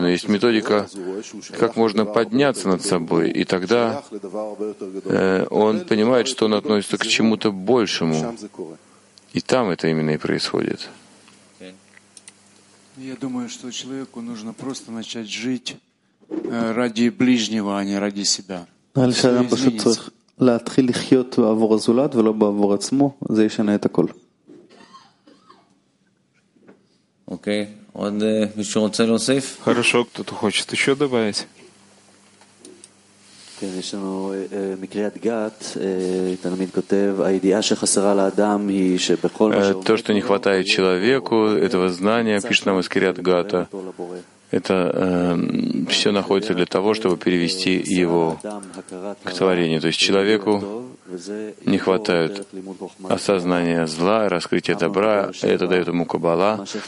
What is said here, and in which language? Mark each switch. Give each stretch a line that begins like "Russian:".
Russian: Но есть методика, как можно подняться над собой, и тогда он понимает, что он относится к чему-то большему. И там это именно и происходит. Я думаю, что человеку нужно просто начать жить ради ближнего, а не ради себя. Дальше нам просто
Hebrew: צריך להתחיל לחיות בעבור הזולת ולא בעבור עצמו, זה ישנה את הכל. אוקיי, עוד מישהו רוצה להוסיף?
Russian: хорошо, кто-то хочет ещё добавить.
Hebrew: כן, יש לנו מקריאת גת, תלמיד כותב, הידיעה שחסרה לאדם היא שבכל מה שהוא...
Russian: то, что не хватает человеку, этого знания, пишет нам из קריאת גתא. Это все находится для того, чтобы перевести его к творению. То есть человеку не хватает осознания зла, раскрытия добра, это дает ему Каббала.